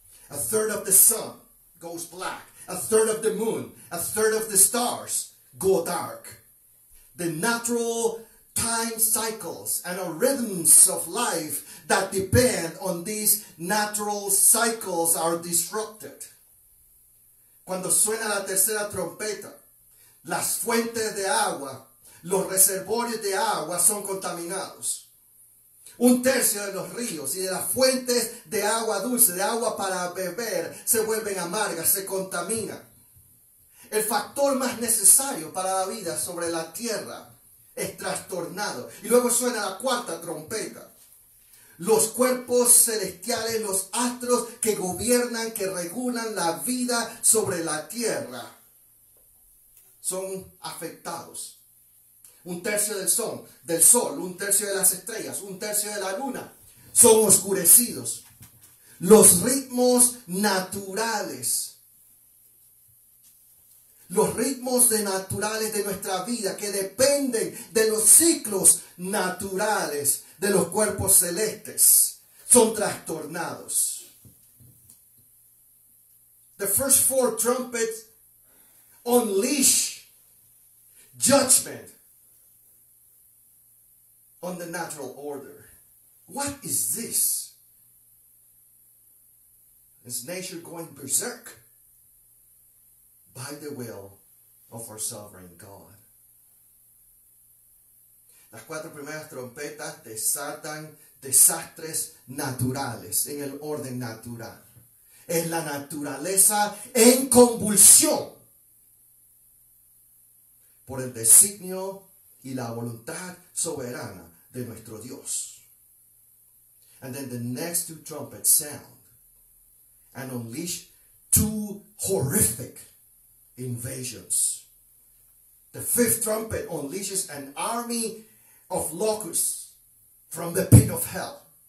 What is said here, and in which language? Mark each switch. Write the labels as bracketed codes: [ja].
[en] A third of the sun goes black. A third of the moon. A third of the stars go dark. The natural time cycles and our rhythms of life that depend on these natural cycles are disrupted. [es] Cuando suena la tercera trompeta, las fuentes de agua, los reservorios de agua son contaminados. Un tercio de los ríos y de las fuentes de agua dulce, de agua para beber, se vuelven amargas, se contaminan. El factor más necesario para la vida sobre la tierra es trastornado. Y luego suena la cuarta trompeta. Los cuerpos celestiales, los astros que gobiernan, que regulan la vida sobre la tierra, son afectados. Un tercio del sol, un tercio de las estrellas, un tercio de la luna, son oscurecidos. Los ritmos naturales, de nuestra vida, que dependen de los ciclos naturales de los cuerpos celestes, son trastornados. [en] The first four trumpets unleash judgment on the natural order. What is this? Is nature going berserk? By the will of our sovereign God. [es] Las cuatro primeras trompetas desatan desastres naturales en el orden natural. Es la naturaleza en convulsión por el designio y la voluntad soberana de nuestro Dios. [en] And then the next two trumpets sound and unleash two horrific invasions. The fifth trumpet unleashes an army of locusts from the pit of hell.